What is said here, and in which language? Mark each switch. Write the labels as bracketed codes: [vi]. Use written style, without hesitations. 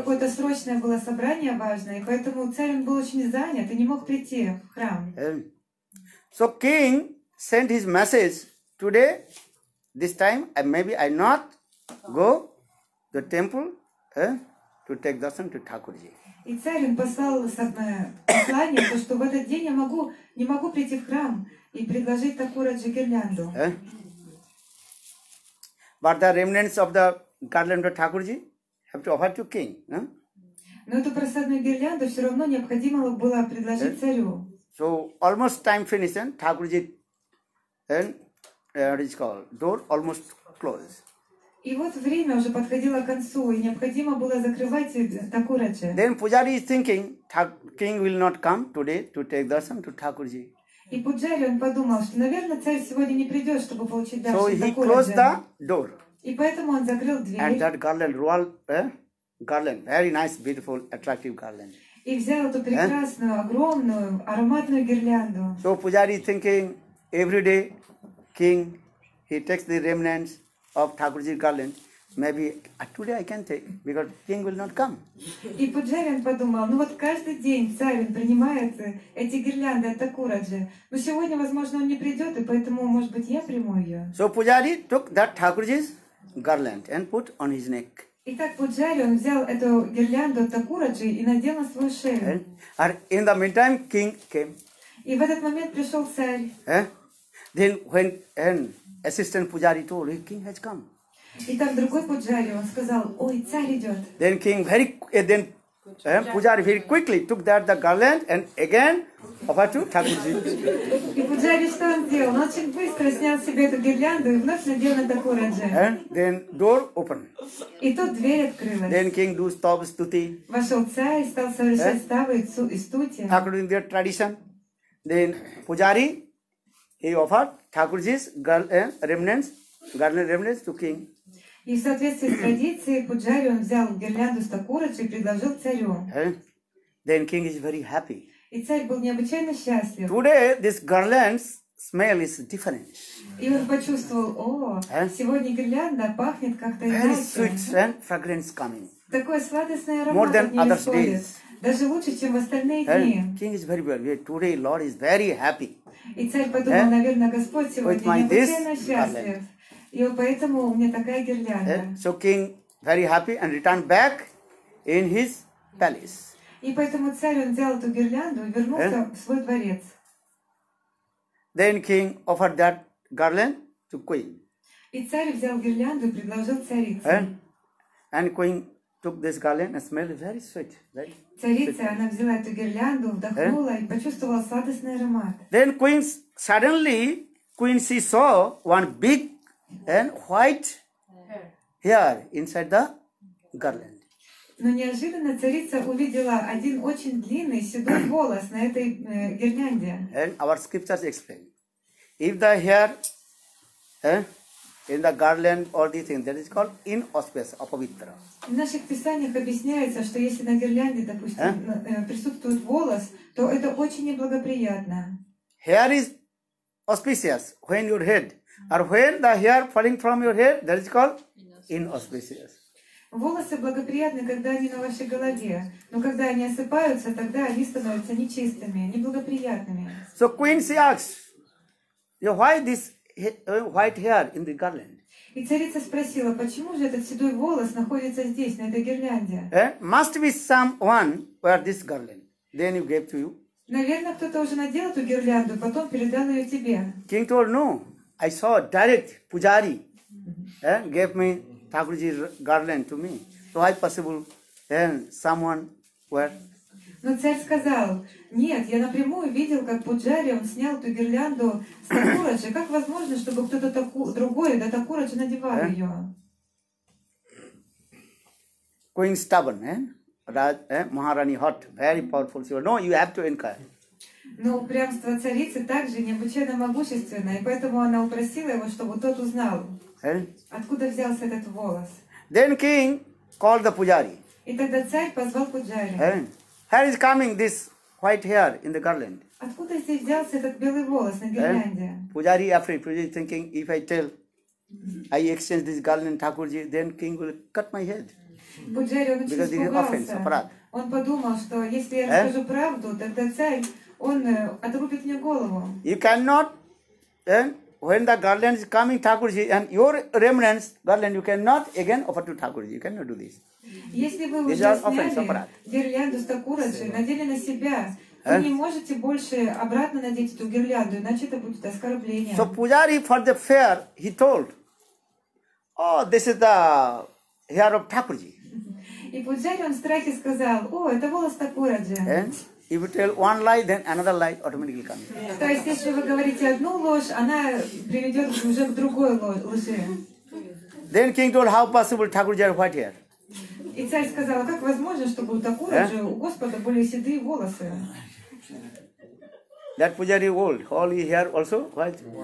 [ru] Какое-то срочное было собрание важное, и поэтому царь был очень занят и не мог прийти в храм. [en] So king sent his message, today, this time, maybe I not go to the temple, to take darshan to Thakurji. [ru] И царь послал послание, то, что в этот день я могу, не могу прийти в храм и предложить Такураджи гирлянду. [en] But the remnants of the garland of Thakurji have to offer to king. No? [ru] Но эту просадную гирлянду все равно необходимо было предложить царю. [en] So almost time finished, Thakurji and it's called door almost closed. [ru] И вот время уже подходило к концу, и необходимо было закрывать Такураджи. [en] Then Pujari is thinking, king will not come today to take darshan to Thakurji. [ru] И Пуджари, он подумал, что, наверное, царь сегодня не придет, чтобы получить [en] darshan Такураджи. So he closed the door. [ru] И поэтому он закрыл дверь. [en] And that garland, royal garland, very nice, beautiful, attractive garland. [ru] И взял эту прекрасную, огромную, ароматную гирлянду. [en] So Pujari is thinking, every day, king, he takes the remnants of Thakurji garland, maybe today I can take, because king will not come. [ru] И Пуджари подумал, ну вот каждый день царь принимает эти гирлянды от Такураджи, но сегодня, возможно, он не придет, и поэтому, может быть, я приму ее. [en] So Pujari took that Thakurji's garland and put on his neck. [ru] И так Пуджари, он взял эту гирлянду от Такураджи и надел на свою шею. [en] And in the meantime, king came. [ru] И в этот момент пришел царь. [en] Then when assistant Pujari told, the king has come. [ru] И там другой Пуджари, он сказал, ой, царь идет. [en] Then king very, then Pujari very quickly took that the garland and again offered to Thakurji. [ru] И Пуджари что он делал? Он очень быстро снял себе эту гирлянду и вновь надел на Такураджи. [en] And then door open. [ru] И тут дверь открылась. [en] Then king do stop stuti. [ru] Вошел царь и стал совершать ставы и стути. [en] According to their tradition, then Pujari, he offered Thakurji's remnants, garland remnants to king. [ru] И в соответствии с традицией Пуджари он взял гирлянду с Такураджи и предложил царю. [en] Then king is very happy. [ru] И царь был необычайно счастлив. [en] Today this garland's smell is different. [ru] И он почувствовал, о, сегодня гирлянда пахнет как-то иначе. [en] Very sweet and fragrance coming. [ru] Такой сладостный аромат. [en] More than other days. [ru] Даже лучше, чем в остальные дни. [en] King is very well. Today Lord is very happy. [ru] И царь подумал, наверное, Господь сегодня необычайно счастлив. И поэтому у меня такая гирлянда. [en] So king very happy and returned back in his palace. [ru] И поэтому царь он взял эту гирлянду и вернулся в свой дворец. [en] Then king offered that garland to queen. [ru] И царь взял гирлянду и предложил царице. [en] And queen took this garland and smelled it very sweet. [ru] Царица, она взяла эту гирлянду, вдохнула и почувствовала сладостный аромат. [en] Then suddenly, she saw one big and white hair inside the garland. [ru] Но неожиданно царица увидела один очень длинный седой волос на этой гирлянде. [en] And our scriptures explain, if the hair in the garland, all these things, that is called inauspicious, apavitra. [ru] В наших писаниях объясняется, что если на гирлянде, допустим, присутствует волос, то это очень неблагоприятно. [en] Hair is auspicious when your head, or when the hair falling from your head, that is called inauspicious. [ru] Волосы благоприятны, когда они на вашей голове, но когда они осыпаются, тогда они становятся нечистыми, неблагоприятными. [en] So queen she asks, you why this white hair in the garland? [ru] И царица спросила, почему же этот седой волос находится здесь, на этой гирлянде? [en] Must be someone wear this garland. Then you gave to you. [ru] Наверное, кто-то уже надел эту гирлянду, потом передал ее тебе. [en] King told, no, I saw direct pujari gave me Thakurji's garland to me. So how possible someone wear? [ru] Но царь сказал, нет, я напрямую видел, как Пуджари, он снял эту гирлянду с Такураджи. Как возможно, чтобы кто-то другой, да Такураджи, надевал ее? [en] Queen stubborn, Maharani hot, very powerful. No, you have to inquire. [ru] Но упрямство царицы также необычайно могущественное, и поэтому она упросила его, чтобы тот узнал, откуда взялся этот волос. [en] Then king called the Pujari. [ru] И тогда царь позвал Пуджари. [en] Where is coming this white hair in the garland? [ru] Откуда здесь взялся этот белый волос на гирлянде? [en] Pujari afraid, Pujari thinking, if I tell, I exchange this garland Thakurji, then king will cut my head. Pujari [ru] очень испугался. [en] Because this is offense, apparat. [ru] Он подумал, что если я расскажу правду, тогда царь, он отрубит мне голову. [en] You cannot, when the garland is coming Thakurji, and your remnants garland, you cannot again offer to Thakurji. You cannot do this. [ru] Если вы уже сняли гирлянду с Такураджи, надели на себя, вы не можете больше обратно надеть эту гирлянду, иначе это будет оскорбление. [en] So Pujari for the fair, he told, oh, this is the hair of Thakurji. [ru] И Пуджари, он в страхе сказал, о, это волос Такураджи. [en] And if you tell one lie, then another lie automatically comes. [ru] То есть, если вы говорите одну ложь, она приведет уже к другой лжи. [en] Then king told, how possible Thakurji are white hair? [ru] И царь сказал, как возможно, чтобы у Такураджи, у Господа были седые волосы? [en] That Pujari old, all his hair also white.